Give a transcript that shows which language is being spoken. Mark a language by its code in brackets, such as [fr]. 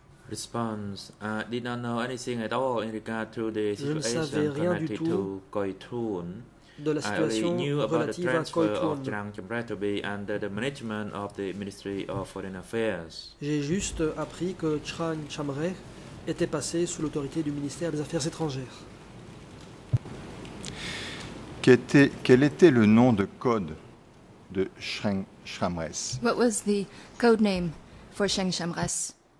[en] Response, I did not know anything at all in regard to the situation connected to Koithun. I only knew about the transfer of Trang Chamrat to be under the management of the Ministry of Foreign Affairs. [fr] J'ai juste appris que Trang Chamrat était passé sous l'autorité du ministère des Affaires étrangères. Quel était le nom de code de Trang Chamrat? [en] What was the code name for Trang Chamrat?